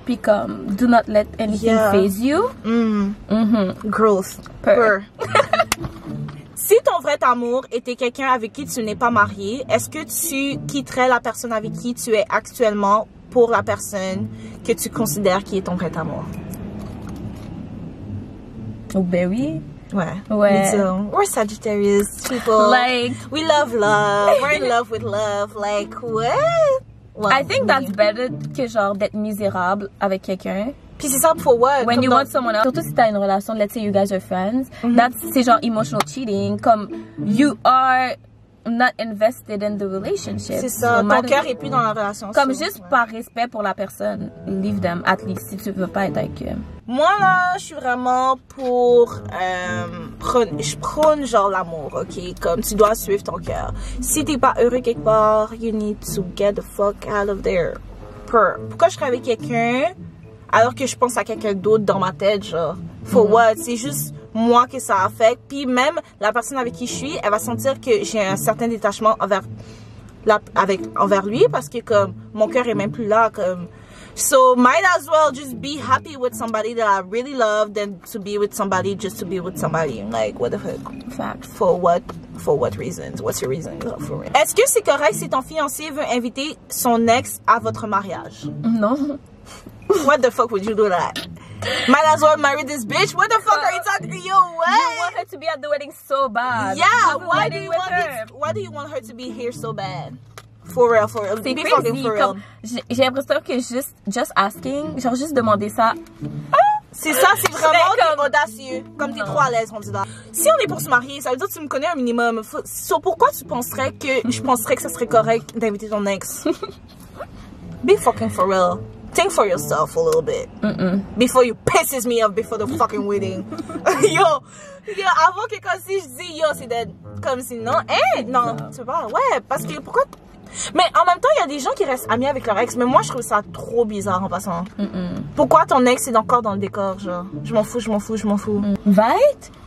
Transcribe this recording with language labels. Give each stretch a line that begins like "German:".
French: Puis comme
English: do not let anything phase you. Mm-hmm. Growth. Purr.
French: Si ton vrai amour était quelqu'un avec qui tu n'es pas marié, est-ce que tu quitterais la personne avec qui tu es actuellement pour la personne que tu considères qui est ton vrai amour? Oh, ben oui.
English: Ouais. We're Sagittarius people. Like, we love love. We're in love with love. Like, what? Well, I think that's better
French: que genre d'être misérable avec quelqu'un. Puis c'est simple
English: for what? When you want someone else.
French: Surtout si t'as une relation,
English: let's say you guys are friends. Mm-hmm.
French: C'est genre
English: emotional cheating. Comme, you are not invested in the relationship.
French: C'est ça. So ton cœur est plus dans la relation. Comme aussi, juste par respect pour la personne.
English: Leave them at least
French: si tu veux pas être avec eux. Moi là, je suis vraiment pour... je prône genre l'amour, ok? Comme tu dois suivre ton cœur. Si t'es pas heureux quelque part,
English: you need to get the fuck out of there.
French: Pourquoi je serais avec quelqu'un... Alors que je pense à quelqu'un d'autre dans ma tête, genre.
English: For what?
French: C'est juste moi que ça affecte. Puis même la personne avec qui je suis, elle va sentir que j'ai un certain détachement envers lui. Parce que comme, mon cœur est même plus là. Comme,
English: So might as well just be happy with somebody that I really love than to be with somebody just to be with somebody. Like, what the fuck? Facts. For what reasons? What's your reason for it?
French: Est-ce que c'est correct si ton fiancé veut inviter son ex à votre mariage? Non.
English: What the fuck would you do that? Might as well marry this bitch. What the fuck are you talking to? Yo, what? You want her to be at the wedding so bad. Yeah, why do you want her? Why do you want her to be here so bad? For real, for real.
French: C'est
English: be crazy. Fucking for real.
French: Comme, j'ai l'impression que
English: just asking,
French: genre juste demander ça. C'est ça, c'est vraiment comme audacieux. Comme t'es trop à l'aise, rendu là. Si on est pour se marier, ça veut dire que tu me connais un minimum. So, pourquoi tu penserais que je penserais que ça serait correct d'inviter ton ex?
English: Be fucking for real. Think for yourself a little bit. Mm-mm. Before you pisses me off before the fucking wedding.
French: Yo, avant que comme si je dis yo, c'est dead. Comme si non, non, tu vois, ouais, parce que pourquoi. Mais en même temps, il y a des gens qui restent amis avec leur ex, mais moi je trouve ça trop bizarre en passant. Mm-mm. Pourquoi ton ex est encore dans le décor, genre? Je m'en fous.
English: Mm. Right?